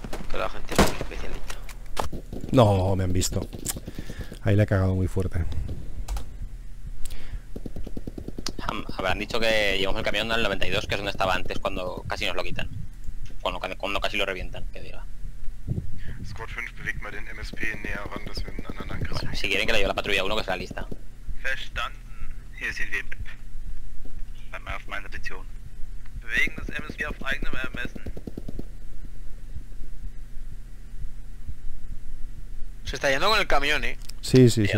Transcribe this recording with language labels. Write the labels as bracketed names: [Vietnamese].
[Spanish] Toda la gente es muy especialista. No, me han visto. Ahí le he cagado muy fuerte. Habrán dicho que llevamos el camión al 92, que es donde estaba antes cuando casi nos lo quitan. Cuando casi lo revientan, que diga. [German] Squad 5, bewegt mal den MSP näher ran, dass wir einen anderen Angriff haben. [Spanish] Si quieren que la lleve la patrulla 1, que es la lista. [German] Verstanden. Hier sind wir. auf meine Position. Bewegen das MSV auf eigenem Ermessen. [Spanish] Se está yendo con el camión, eh. Sí, sí, sí.